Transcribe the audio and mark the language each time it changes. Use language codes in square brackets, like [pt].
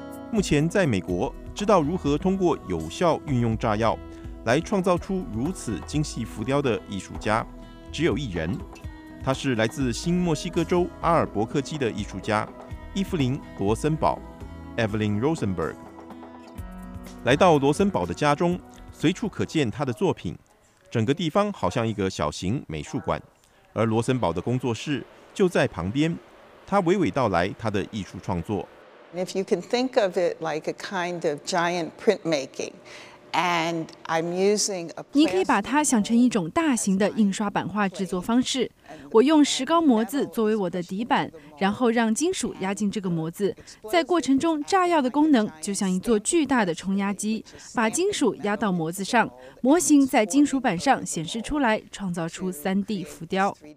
[zh] 目前在美国，知道如何通过有效运用炸药来创造出如此精细浮雕的艺术家只有一人，他是来自新墨西哥州阿尔伯克基的艺术家伊芙琳·罗森堡 Evelyn Rosenberg。来到罗森堡的家中，随处可见他的作品，整个地方好像一个小型美术馆，而罗森堡的工作室就在旁边。他娓娓道来他的艺术创作。 [en] If you can think of it like a kind of giant printmaking, and I'm using a [zh] 你可以把它想成一种大型的印刷版画制作方式。我用石膏模子作为我的底板，然后让金属压进这个模子。在过程中，炸药的功能就像一座巨大的冲压机，把金属压到模子上，模型在金属板上显示出来，创造出 3D 浮雕。